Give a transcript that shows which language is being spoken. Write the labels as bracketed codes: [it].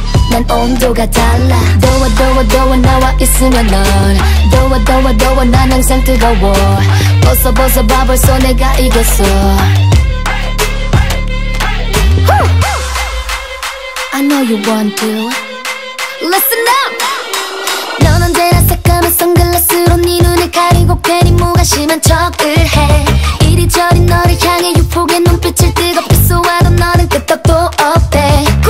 [ko] 난 온도가 달라. 더워 나와 있으면 넌 더워 난 항상 뜨거워. 벗어 봐 벌써 내가 익었어. [en] I know you want to listen up. [ko] 넌 언제나 새까만 선글라스로 네 눈을 가리고 괜히 무관심한 척을 해. 이리저리 너를 향해 유혹의 눈빛을 뜨겁게 쏘아도 너는 끄떡도 없대.